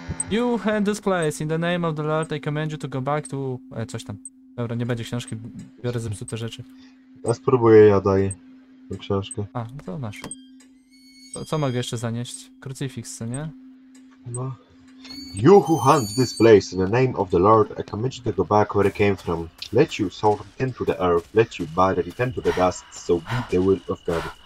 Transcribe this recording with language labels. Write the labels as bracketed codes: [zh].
[en] You who had this place in the name of the Lord, I command you to go back to... [pl] coś tam. Dobra, nie będzie książki, biorę zepsute rzeczy. Ja spróbuję, ja daj tę książkę. A, no to masz. Co mogę jeszcze zanieść? Krucyfiks, co nie? No. [en] You who hunt this place in the name of the Lord, I command you to go back where I came from. Let your soul return to the earth, let your body return to the dust, so be the will of God.